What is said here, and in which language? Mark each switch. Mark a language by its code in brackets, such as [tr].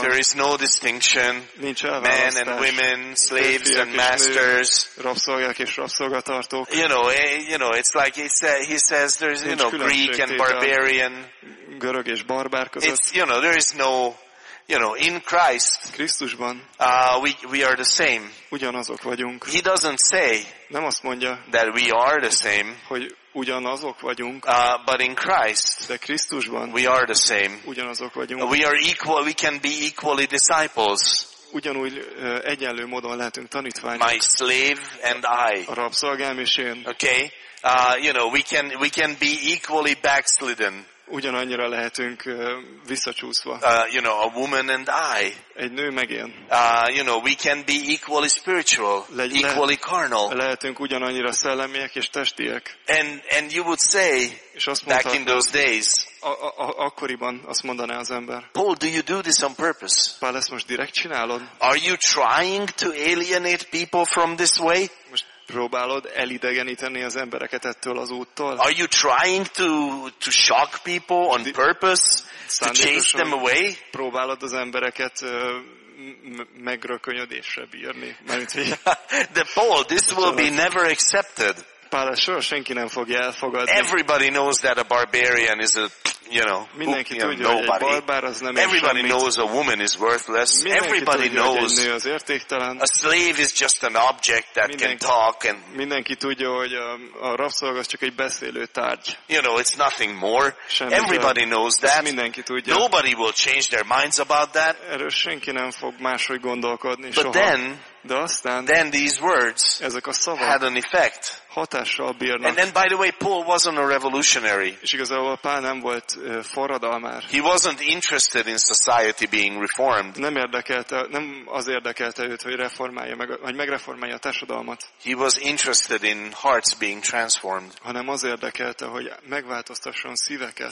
[en] there is no distinction, [hu] nincs elválasztás, [en] men and women, slaves and masters, [hu] rabszolgák és rabszolgatartók. [en] You know, it's like he says there's, you know, Greek and barbarian, [hu] görög és barbár között. [en] It's, you know, there is no, you know, in Christ, [hu] Krisztusban, [en] we are the same. [hu] Ugyanazok vagyunk. [en] He doesn't say, [hu] nem azt mondja, [en] that we are the same, [hu] hogy ugyanazok vagyunk, [en] but in Christ, [hu] de Krisztusban, [en] we are the same. [hu] Ugyanazok vagyunk. [en] We are equal, we can be equally disciples. [hu] Ugyanúgy egyenlő módon lehetünk tanítványok. [en] My slave and I. [hu] A rabszolgám és én. [en] Okay. You know, we can be equally backslidden. [hu] Ugyanannyira lehetünk visszacsúszva. [en] You know, a woman and I. [hu] Egy nő meg én. [en] You know, we can be equally spiritual, equally carnal. [hu] Lehetünk ugyanannyira szellemiek és testiek. [en] And you would say, back in those days, [hu] akkoriban azt mondaná az ember, [en] Paul, do you do this on purpose? [hu] Pál, ezt most direkt csinálod? [en] Are you trying to alienate people from this way? [hu] Próbálod elidegeníteni az embereket ettől az úttól? [en] Are you trying to shock people on purpose, to chase them away? [hu] Próbálod az embereket megrökönyödésre bírni. [en] The pole, this will be never accepted. [hu] Pál, soha senki nem fogja elfogadni. [en] Everybody knows that a barbarian is a, you know, [hu] mindenki tudja, hogy egy barbár az nem. [en] Everybody knows a woman is worthless. [hu] Mindenki [en] everybody [hu] tudja, [en] knows [hu] hogy egy nő az értéktelen. [en] A slave is just an object that [hu] mindenki, [en] can talk and [hu] mindenki tudja, hogy a rabszolga az csak egy beszélő tárgy. [en] You know, it's nothing more. [hu] Semmi [en] everybody knows that. [hu] Mindenki tudja. [en] Nobody will change their minds about that. [hu] Erről senki nem fog máshogy gondolkodni [en] But [hu] soha. [en] Then, [hu] de aztán, [en] then these words [hu] ezek a szavak [en] had an effect. [hu] Hatással bírnak. [en] And then, by the way, Paul wasn't a revolutionary. [hu] És igazából Pál nem volt forradalmár. [en] He wasn't interested in society being reformed. [hu] Nem érdekelte, nem az érdekelte őt, hogy reformálja meg, vagy megreformálja a társadalmat. [en] He was interested in hearts being transformed. [hu] Hanem az érdekelte, hogy megváltoztasson szíveket.